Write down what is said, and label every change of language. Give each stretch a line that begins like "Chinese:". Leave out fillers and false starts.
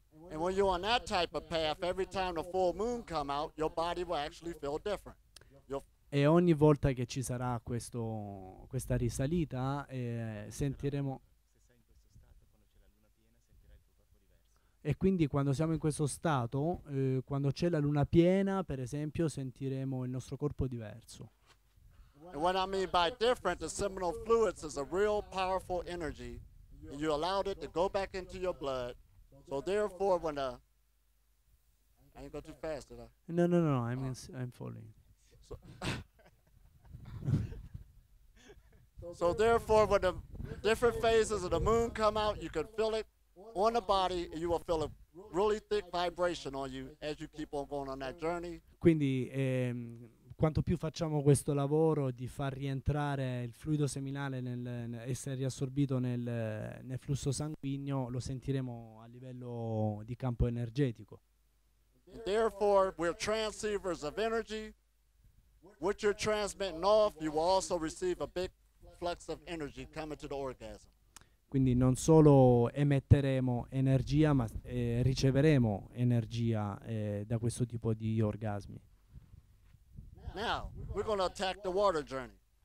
English: And when you're on that type of path, every time the full moon come out, your body will actually feel different.
Italian: E ogni volta che ci sarà questa risalita, sentiremo. E quindi quando siamo in questo stato, quando c'è la luna piena, per esempio, sentiremo il nostro corpo diverso.
English: And what I mean by different, the seminal fluids is a real powerful energy, and you allowed it to go back into your blood. So therefore, when the I ain't go too fast, did I? No. I'm falling. So therefore, when the different phases of the moon come out, you can feel it on the body, and you will feel a really thick vibration on you as you keep on going on that journey.
Italian: Quindi quanto più facciamo questo lavoro di far rientrare il fluido seminale nel essere riassorbito nel flusso sanguigno, lo sentiremo a livello di campo energetico.
English: And therefore, we're transceivers of energy. What you're transmitting off, you will also receive a big flux of energy coming to the orgasm.
Italian: Quindi non solo emetteremo energia, ma riceveremo energia da questo tipo di orgasmi.
English: Now, we're going to attack the water journey.